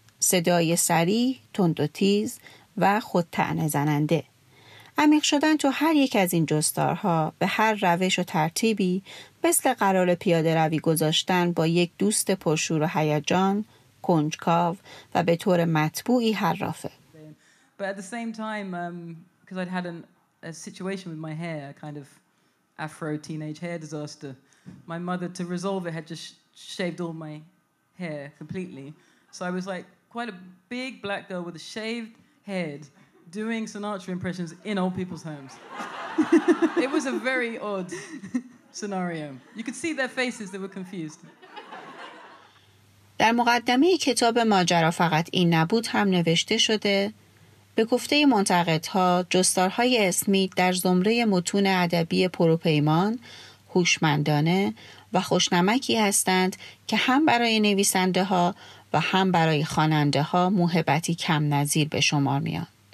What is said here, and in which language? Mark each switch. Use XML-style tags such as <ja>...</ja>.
<fa>صدای سری، تند و تیز و خود طعنه زننده. عمیق شدن تو هر یک از این جستارها به هر روش و ترتیبی مثل قرار پیاده روی گذاشتن با یک دوست پرشور و هیجان، کنجکاو و به طور مطبوعی حرافه.</fa> <en>But at the same time because I'd had a situation with my hair, a kind of afro teenage hair disaster. My mother to resolve it had just shaved all my hair completely. So I was like quite a big black girl with a shaved head doing Sinatra impressions in old people's homes. It was a very odd scenario. You could see their faces, they were confused.</en> <fa>در مقدمه کتاب ماجرا فقط این نبود هم نوشته شده به گفته منتقدها جستارهای اسمیت در زمره متون ادبی پروپیمان هوشمندانه و خوشنمکی هستند که هم برای نویسنده ها و هم برای خواننده ها موهبتی کم نظیر به شمار میان.</fa>